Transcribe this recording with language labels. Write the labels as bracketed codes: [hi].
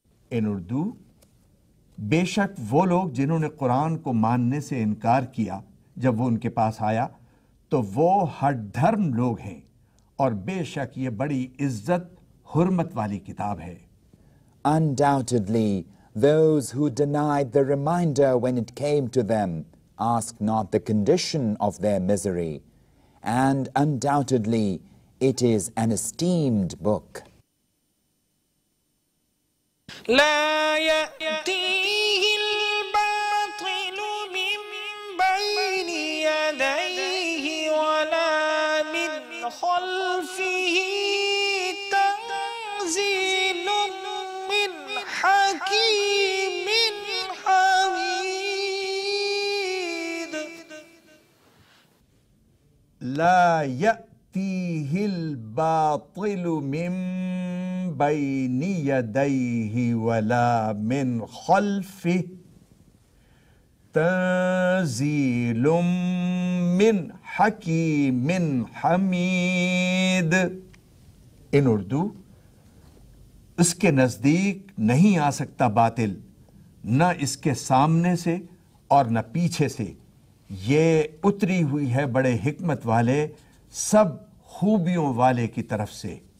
[en] In Urdu, [ur] بے شک وہ لوگ جنہوں نے قرآن کو ماننے سے انکار کیا جب وہ ان کے پاس آیا تو وہ ہٹ دھرم لوگ ہیں اور بے شک یہ بڑی عزت حرمت والی کتاب ہے. [en] Undoubtedly, those who denied the reminder when it came to them ask not the condition of their misery, and undoubtedly, it is an esteemed book. [ar] لا يأتيه الباطل من بين يديه ولا من خلفه تنزيل من حكيم حميد. لا يأتيه الباطل من بين يديه ولا من خلفه تنزيل من حكيم حميد. [en] in Urdu, [ur] اس کے نزدیک نہیں آ سکتا باطل, نہ اس کے سامنے سے اور نہ پیچھے سے, یہ اتری ہوئی ہے بڑے حکمت والے سب خوبیوں والے کی طرف سے.